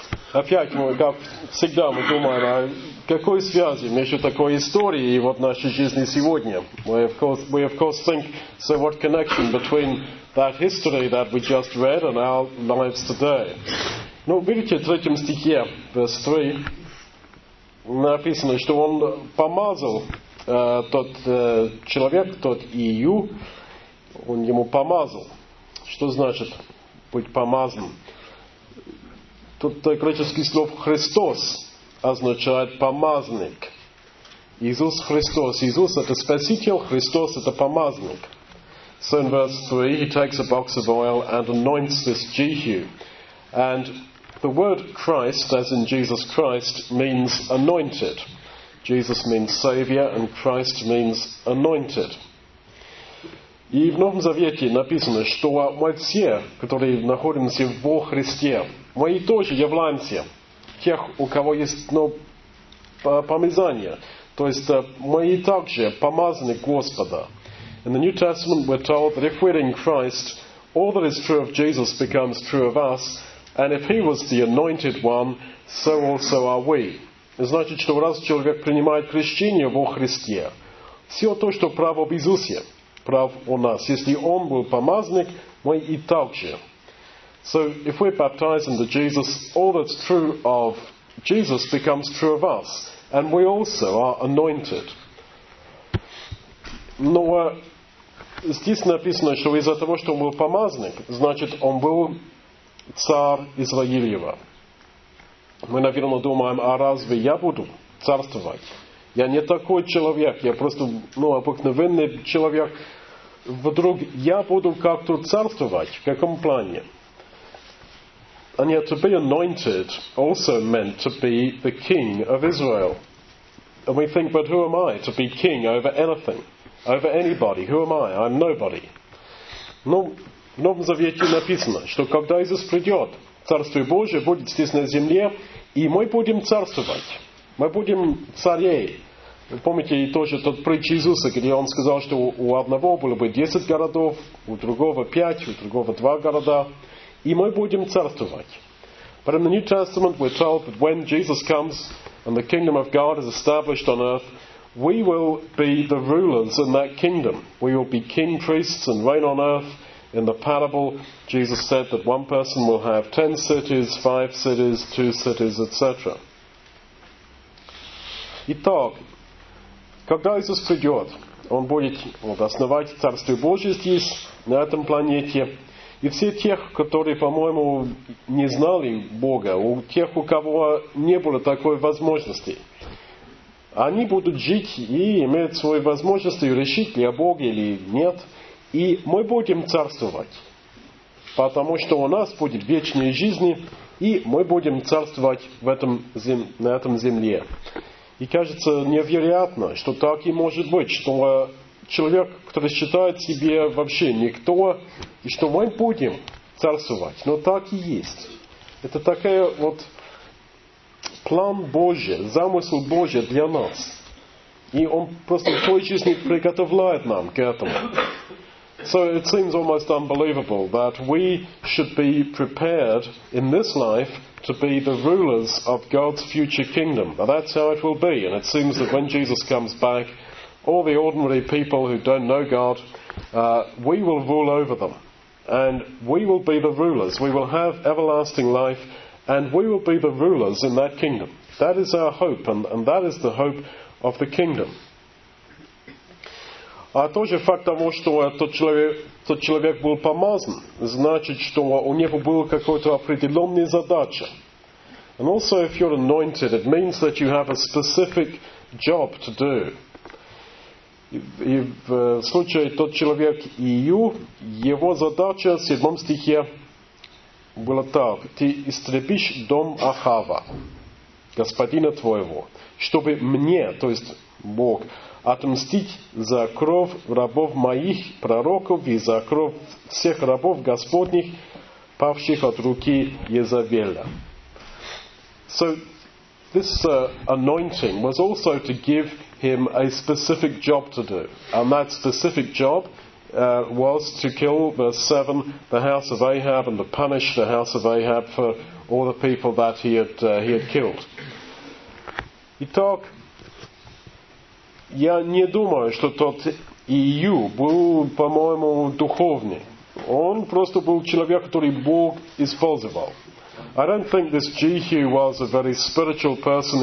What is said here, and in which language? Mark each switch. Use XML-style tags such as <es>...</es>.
<ru>Опять мы, как всегда, мы думаем, а какой связи между такой историей и вот нашей жизни сегодня?</ru> <en>We of course think, so what connection between that history that we just read and our lives today?</en> <ru>Ну, видите, в 3 стихе,</ru> <en>verse 3,</en> <ru>написано, что он помазал тот человек, тот Ию, он ему помазал. Что значит быть помазанным? Тут греческий слов «Христос» означает «помазанник». Иисус Христос. Иисус – это Спаситель, Христос – это помазанник.</ru> <en>So in verse 3, he takes a box of oil and anoints this Jehu. And the word Christ, as in Jesus Christ, means anointed. Jesus means Savior and Christ means anointed.</en> <ru>И в Новом Завете написано, что мы все, которые находимся во Христе, мы тоже являемся тех, у кого есть помазание. То есть мы также помазаны Господа.</ru> <en>In the New Testament we're told that if we're in Christ, all that is true of Jesus becomes true of us, and if he was the anointed one, so also are we.</en> <ru>Значит, что раз человек принимает крещение во Христе, все то, что право в Иисусе, прав у нас. Если он был помазанник, мы и также.</ru> <en>So, if we're baptized into Jesus, all that's true of Jesus becomes true of us. And we also are anointed.</en> <ru>Но здесь написано, что из-за того, что он был помазанник, значит, он был царь Израилева. Мы, наверное, думаем, а разве я буду царствовать? Я не такой человек, я просто обыкновенный человек. Вдруг я буду как-то царствовать? В каком плане?</ru> <en>And yet to be anointed also meant to be the king of Israel. And we think, but who am I to be king over anything? Over anybody? Who am I? I'm nobody.</en> <ru>Ну, в Новом Завете написано, что когда Иисус придет, Царствие Божие будет здесь на земле, и мы будем царствовать. Мы будем царей. Вы помните тоже тот притч Иисуса, где он сказал, что у одного было бы 10 городов, у другого 5, у другого 2 города. И мы будем царствовать.</ru> <en>But in the New Testament we're told that when Jesus comes and the kingdom of God is established on earth, we will be the rulers in that kingdom. We will be king priests and reign on earth. In the parable, Jesus said that one person will have 10 cities, 5 cities, 2 cities, etc.</en> <ru>Итак, когда Иисус придет, он будет основать Царствие Божие здесь, на этом планете. И все тех, которые, по-моему, не знали Бога, у тех, у кого не было такой возможности, они будут жить и иметь свои возможности, решить ли о Боге или нет. И мы будем царствовать, потому что у нас будет вечная жизнь, и мы будем царствовать в этом, на этом земле. И кажется невероятно, что так и может быть, что человек, который считает себе вообще никто, и что мы будем царствовать. Но так и есть. Это такой вот план Божий, замысел Божий для нас. И он просто в той жизни приготовляет нам к этому.</ru> <en>So it seems almost unbelievable that we should be prepared in this life to be the rulers of God's future kingdom. Now that's how it will be. And it seems that when Jesus comes back, all the ordinary people who don't know God, we will rule over them. And we will be the rulers. We will have everlasting life. And we will be the rulers in that kingdom. That is our hope. And that is the hope of the kingdom.</en> <ru>А тоже факт того, что тот человек был помазан, значит, что у него была какая-то определенная задача.</ru> <en>And also, if you're anointed, it means that you have a specific job to do.</en> <ru>И в случае тот человек Ию, его задача в 7 стихе была так. «Ты истребишь дом Ахава, господина твоего, чтобы мне, то есть Бог, отмстить за кровь рабов моих пророков и за кровь всех рабов Господних, павших от руки Иезавеля».</ru> <en>So, this anointing was also to give him a specific job to do. And that specific job was to kill, verse 7, the house of Ahab, and to punish the house of Ahab for all the people that he had killed.</en> <ru>Итак, я не думаю, что тот Ию был, по-моему, духовный. Он просто был человек, который Бог использовал.</ru> <en>I don't think this Jehu was a very spiritual person.</en>